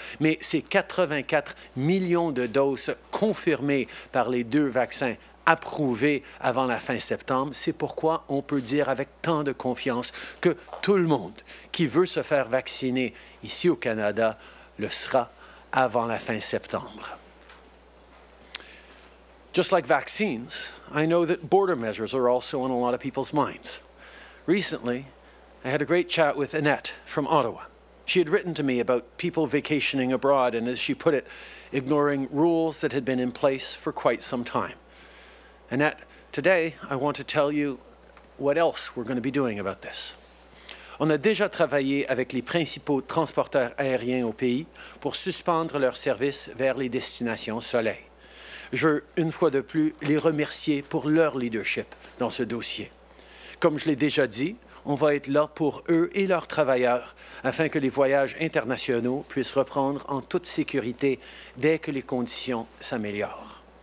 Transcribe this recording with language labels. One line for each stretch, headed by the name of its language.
French: Mais ces 84 millions de doses confirmées par les deux vaccins approuvés avant la fin septembre, c'est pourquoi on peut dire avec tant de confiance que tout le monde qui veut se faire vacciner ici au Canada le sera avant la fin septembre.
English: Just like vaccines, I know that border measures are also on a lot of people's minds. Recently, I had a great chat with Annette from Ottawa. She had written to me about people vacationing abroad and, as she put it, ignoring rules that had been in place for quite some time. Annette, today I want to tell you what else we're going to be doing about this.
French: On a déjà travaillé avec les principaux transporteurs aériens au pays pour suspendre leur service vers les destinations soleil. Je veux une fois de plus les remercier pour leur leadership dans ce dossier. Comme je l'ai déjà dit, on va être là pour eux et leurs travailleurs afin que les voyages internationaux puissent reprendre en toute sécurité dès que les conditions s'améliorent.